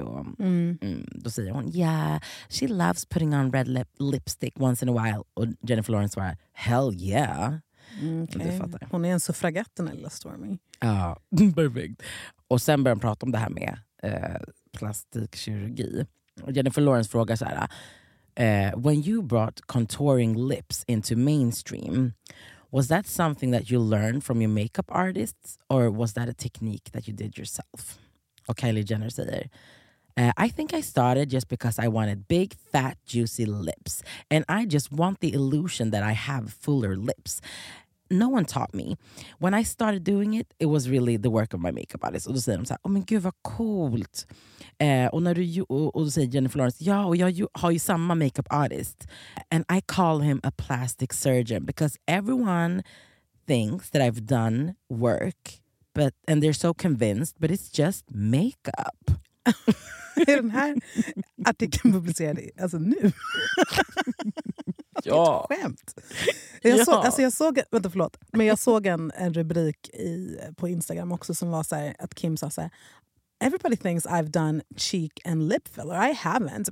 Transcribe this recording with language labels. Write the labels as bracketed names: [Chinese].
[Swedish] Och, då säger hon, [English] yeah, she loves putting on red lipstick once in a while. [Swedish] Och Jennifer Lawrence svarar, [English] hell yeah. [Swedish] Okay. Du fattar. Hon är en suffragett, den lilla Stormy. Ja, perfekt. Och sen börjar hon prata om det här med plastikkirurgi. Och Jennifer Lawrence frågar så här, [English] when you brought contouring lips into mainstream, was that something that you learned from your makeup artists or was that a technique that you did yourself? [Swedish] Och Kylie Jenner säger, [English] I think I started just because I wanted big, fat, juicy lips and I just want the illusion that I have fuller lips. No one taught me. When I started doing it, it was really the work of my makeup artist. [Swedish] Och då säger de så här, oh men gud vad coolt. Och när du och då säger Jennifer Lawrence, ja, och jag har ju samma makeup artist. [English] And I call him a plastic surgeon because everyone thinks that I've done work, but and they're so convinced, but it's just makeup. [Swedish] Är den här artikeln publicerad alltså nu? Ja. Skämt. Jag, ja. Alltså jag såg, vänta förlåt, men jag såg en rubrik på Instagram också som var så här, att Kim sa så här, [English] everybody thinks I've done cheek and lip filler, I haven't.